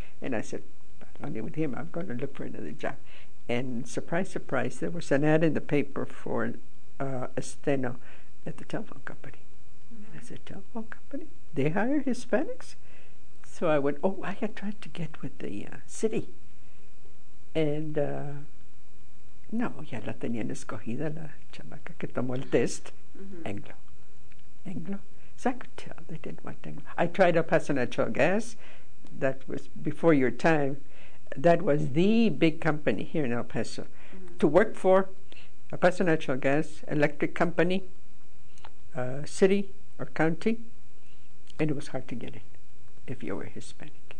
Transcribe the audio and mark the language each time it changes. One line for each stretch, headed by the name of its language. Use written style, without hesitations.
English: And I said, only with him, I'm going to look for another job. And surprise, surprise, there was an ad in the paper for a steno at the telephone company. Mm-hmm. And I said, telephone company? They hire Hispanics? So I went, oh, I had tried to get with the city. And no,
Spanish: ya la tenían escogida la chamaca que tomó el test.
English: Mm-hmm. Anglo. So I could tell they didn't want Anglo. I tried El Paso Natural Gas. That was before your time. That was the big company here in El Paso. Mm-hmm. To work for El Paso Natural Gas, electric company, city or county, and it was hard to get in if you were Hispanic.